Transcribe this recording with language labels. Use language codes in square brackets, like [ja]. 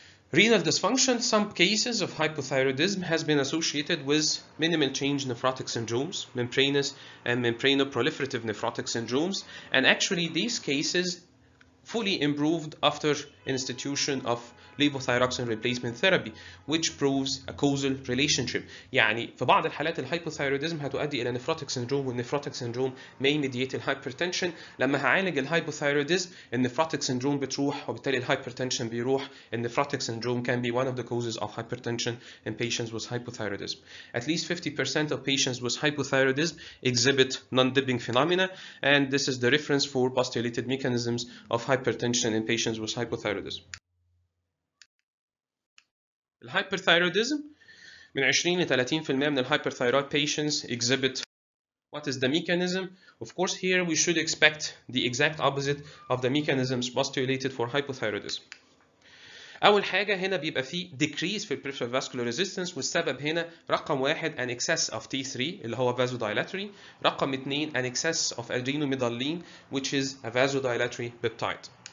[en] Renal dysfunction, some cases of hypothyroidism has been associated with minimal change nephrotic syndromes, membranous and membranoproliferative nephrotic syndromes, and actually these cases fully improved after institution of levothyroxine replacement therapy, which proves a causal relationship. [ar] يعني في بعض الحالات الهايبوثايرويديزم هتؤدي الى نيفروتيك سيندروم والنيفروتيك سيندروم [en] may mediate [ar] الهايبرتنشن. لما هعالج الهايبوثايرويديزم النيفروتيك سيندروم بتروح وبالتالي الهايبرتنشن بيروح. [en] النيفروتيك syndrome can be one of the causes of hypertension in patients with hypothyroidism. At least 50% of patients with hypothyroidism exhibit non-dipping phenomena, and this is the reference for postulated mechanisms of hypertension in patients with hypothyroidism. الهايبرثايرويديزم من 20 ل 30% من الهايبرثايرويد patients exhibit. What is the mechanism? Of course here we should expect the exact opposite of the mechanisms postulated for hypothyroidism. [ar] أول حاجة هنا بيبقى فيه [en] decrease في peripheral vascular resistance, والسبب هنا رقم واحد an excess of T3 [ar] اللي هو [en] vasodilatory, رقم اثنين an excess of adrenomedulline which is a vasodilatory peptide.